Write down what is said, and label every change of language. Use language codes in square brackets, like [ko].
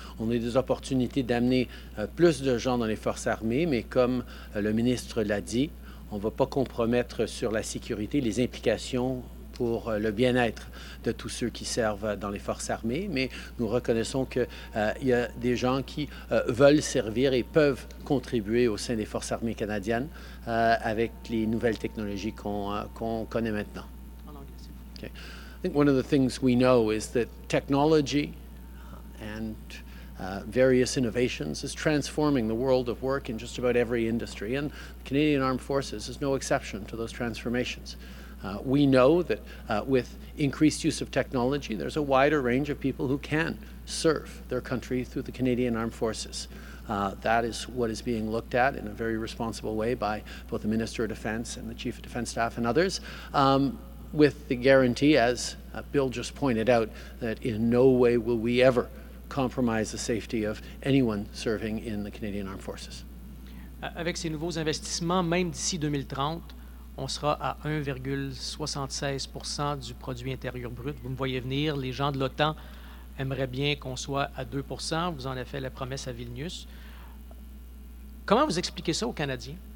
[fr] On a des opportunités d'amener plus de gens dans les Forces armées, mais comme le ministre l'a dit, on ne va pas compromettre sur la sécurité, les implications pour le bien-être de tous ceux qui servent dans les Forces armées. Mais nous reconnaissons qu'il y a des gens qui veulent servir et peuvent contribuer au sein des Forces armées canadiennes avec les nouvelles technologies qu'on connaît maintenant. [en] Okay. I think one of the things we know is that technology and various innovations is transforming the world of work in just about every industry. And the Canadian Armed Forces is no exception to those transformations. We know that with increased use of technology, there's a wider range of people who can serve their country through the Canadian Armed Forces. That is what is being looked at in a very responsible way by both the Minister of Defense and the Chief of Defense Staff and others, with the guarantee, as Bill just pointed out, that in no way will we ever compromise the safety of anyone serving in the Canadian Armed Forces. [fr] Avec ces nouveaux investissements, même d'ici 2030, on sera à 1,76% du produit intérieur brut. Vous me voyez venir, les gens de l'OTAN aimeraient bien qu'on soit à 2%. Vous en avez fait la promesse à Vilnius. Comment vous expliquez ça aux Canadiens?